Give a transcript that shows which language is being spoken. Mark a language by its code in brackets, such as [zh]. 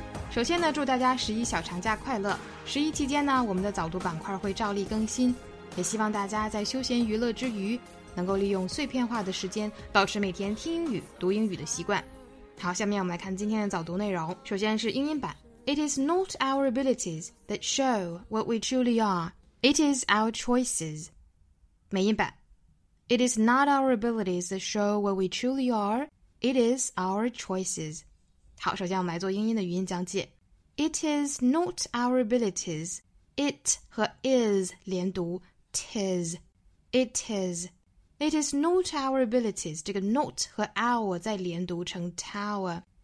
[zh] 首先呢，祝大家十一小长假快乐。十一期间呢，我们的早读板块会照例更新，也希望大家在休闲娱乐之余，能够利用碎片化的时间，保持每天听英语、读英语的习惯。好，下面我们来看今天的早读内容。首先是英音版。 [en] It is not our abilities that show what we truly are. It is our choices. 美音版 It is not our abilities that show what we truly are. It is our choices. [zh] 好，首先我们来做英音的语音讲解。 [en] It is not our abilities. It 和 is [zh] 连读 [en] tis. It is. It is not our abilities. 这个 not 和 our [zh] 再连读成 [en] tower.